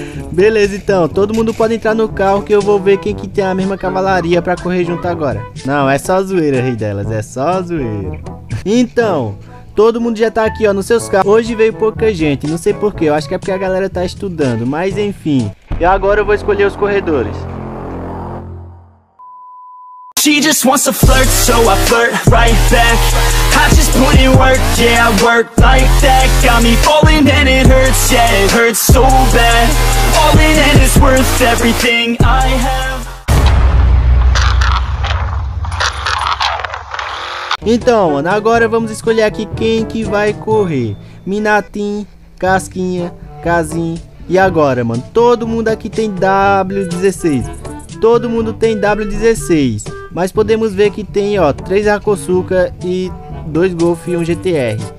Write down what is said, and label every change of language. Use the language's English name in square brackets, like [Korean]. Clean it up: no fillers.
[Portuguese] Beleza, então, todo mundo pode entrar no carro que eu vou ver quem que tem a mesma cavalaria pra correr junto agora. Não, é só zoeira, rei delas, é só zoeira. Então, todo mundo já tá aqui, ó, nos seus carros. Hoje veio pouca gente, não sei porquê, eu acho que é porque a galera tá estudando, mas enfim. E agora eu vou escolher os corredores. [English] She just wants to flirt, so I flirt right back. I just put in work, yeah, work like that. Got me falling and it hurts, yeah, it hurts so bad. Falling and it's worth everything I have. [Portuguese] Então, mano, agora vamos escolher aqui quem que vai correr. Minatin, Casquinha, Kazin. E agora, mano, todo mundo aqui tem W16. Todo mundo tem W16. Mas podemos ver que tem, ó, 3 Hakosuka e 2 Golf e 1 GTR.